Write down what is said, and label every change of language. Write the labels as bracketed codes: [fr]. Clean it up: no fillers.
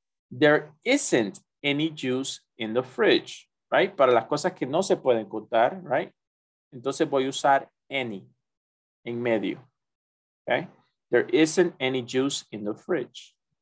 [en] There isn't any juice in the fridge, right? [es] Para las cosas que no se pueden contar, [en] right? [es] Entonces voy a usar any en medio. [en] Okay, there isn't any juice in the fridge.